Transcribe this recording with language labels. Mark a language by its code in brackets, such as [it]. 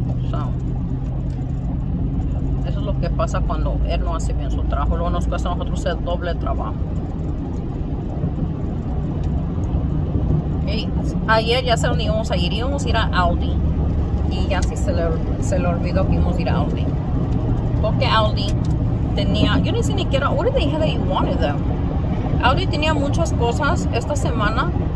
[es] So, eso es lo que pasa cuando él no hace bien su trabajo. Luego nos cuesta a nosotros hacer doble trabajo. Ayer ya sé dónde íbamos a ir a Aldi. Y ya sí se le olvidó que íbamos a ir a Aldi. Porque Aldi tenía, yo ni siquiera, [en] what did they have that you wanted them? [es] Aldi tenía muchas cosas esta semana.